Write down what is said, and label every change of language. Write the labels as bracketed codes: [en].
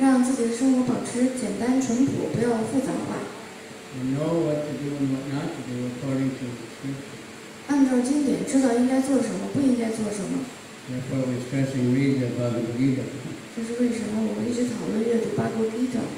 [zh] 让自己的生活保持简单淳朴，不要复杂化。 [en] You know what to do and what not to do according to the scripture. [zh] 按照经典，知道应该做什么，不应该做什么。 [en] Therefore, we're stressing read the Bhagavad Gita. [zh] 这是为什么我们一直讨论阅读巴格丽的。